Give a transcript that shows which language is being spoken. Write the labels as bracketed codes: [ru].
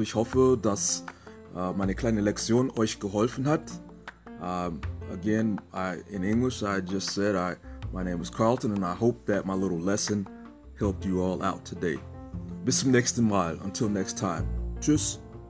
[de] Ich hoffe, dass meine kleine Lektion euch geholfen hat. [en] Again, in English, I just said, my name is Carlton, and I hope that my little lesson helped you all out today. [de] Bis zum nächsten Mal. [en] Until next time. [de] Tschüss.